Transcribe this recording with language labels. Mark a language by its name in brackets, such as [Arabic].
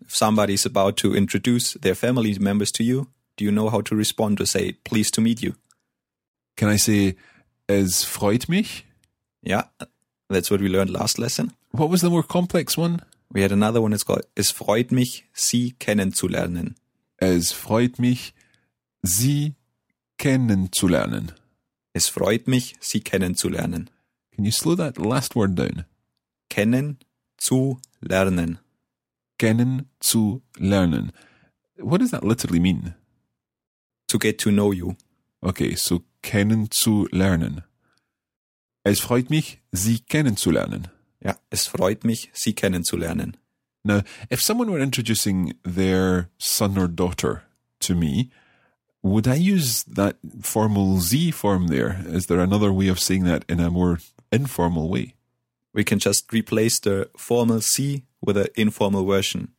[English] If somebody is about to introduce their family members to you, do you know how to respond or say, pleased to meet you? Can I say, [German] es freut mich? [English] Yeah, that's what we learned last lesson. What was the more complex one? We had another one, it's called, [German] es freut mich, Sie kennenzulernen. Es freut mich, Sie kennenzulernen. Es freut mich, Sie kennenzulernen. [English] Can you slow that last word down? [German] Kennen zu lernen. Kennen zu lernen. [English] What does that literally mean? To get to know you. Okay, so [German] kennen zu lernen. Es freut mich, Sie kennenzulernen. Ja, es freut mich, Sie kennenzulernen. [English] Now, if someone were introducing their son or daughter to me, would I use that formal Z form there? Is there another way of saying that in a more informal way? We can just replace the formal Z with an informal version.